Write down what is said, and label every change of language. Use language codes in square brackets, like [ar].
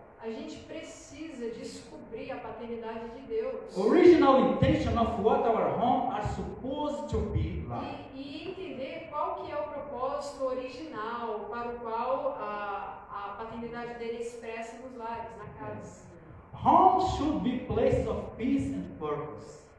[pt] A gente precisa descobrir a paternidade de Deus. [en] Original intention of what our home are supposed to be like. [pt] E entender qual que é o propósito original para o qual a paternidade dele expressa nos lares, na casa. [en] Yes. Home should be place of peace and purpose.